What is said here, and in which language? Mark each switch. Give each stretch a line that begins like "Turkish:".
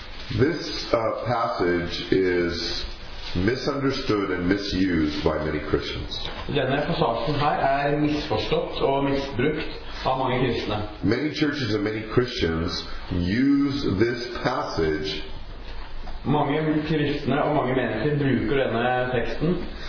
English: This passage is misunderstood and misused by many Christians.
Norwegian: Denne passasjen her misforstått og misbrukt av mange kristne.
English: Many churches and many Christians use this passage.
Norwegian: Mange kristne og mange mennesker bruker denne teksten